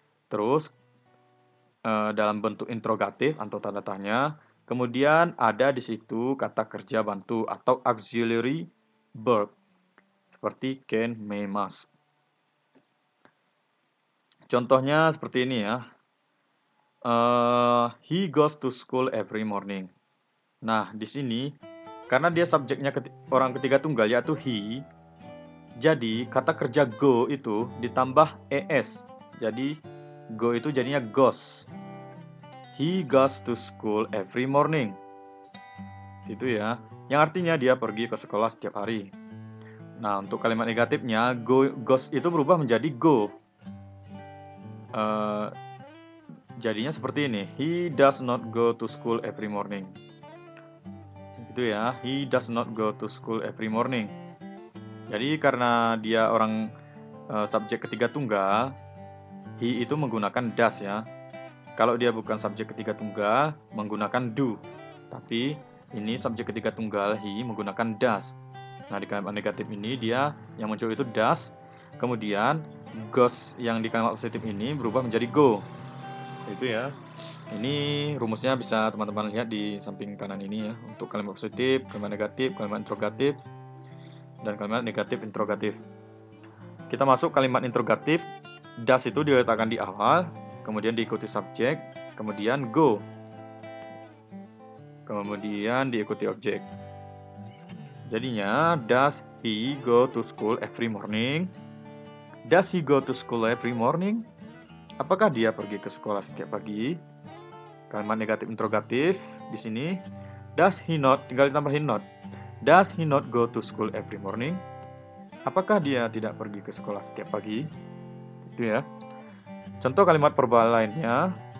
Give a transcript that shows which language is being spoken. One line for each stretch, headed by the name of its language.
Indonesian: Terus dalam bentuk interrogatif atau tanda tanya, kemudian ada di situ kata kerja bantu atau auxiliary verb seperti can, may, must. Contohnya seperti ini ya.
English: He goes to school every morning.
Indonesian: Nah, di sini karena dia subjeknya orang ketiga tunggal yaitu he, jadi kata kerja go itu ditambah es. Jadi go itu jadinya goes.
English: He goes to school every morning.
Indonesian: Itu ya, yang artinya dia pergi ke sekolah setiap hari. Nah, untuk kalimat negatifnya goes itu berubah menjadi go. Jadinya seperti ini.
English: He does not go to school every morning.
Indonesian: Gitu ya.
English: He does not go to school every morning.
Indonesian: Jadi karena dia orang subjek ketiga tunggal, he itu menggunakan does ya. Kalau dia bukan subjek ketiga tunggal, menggunakan do. Tapi ini subjek ketiga tunggal, he menggunakan does. Nah, di kalimat negatif ini dia yang muncul itu does. Kemudian goes yang di kalimat positif ini berubah menjadi go. Itu ya. Ini rumusnya bisa teman-teman lihat di samping kanan ini ya. Untuk kalimat positif, kalimat negatif, kalimat interrogatif, dan kalimat negatif interrogatif. Kita masuk kalimat interrogatif. Does itu diletakkan di awal, kemudian diikuti subjek, kemudian go, kemudian diikuti objek. Jadinya
English: does he go to school every morning? Does he go to school every morning?
Indonesian: Apakah dia pergi ke sekolah setiap pagi? Kalimat negatif interrogatif di sini.
English: Does he not?
Indonesian: Tinggal ditambahin not.
English: Does he not go to school every morning?
Indonesian: Apakah dia tidak pergi ke sekolah setiap pagi? Itu ya. Contoh kalimat verbal lainnya.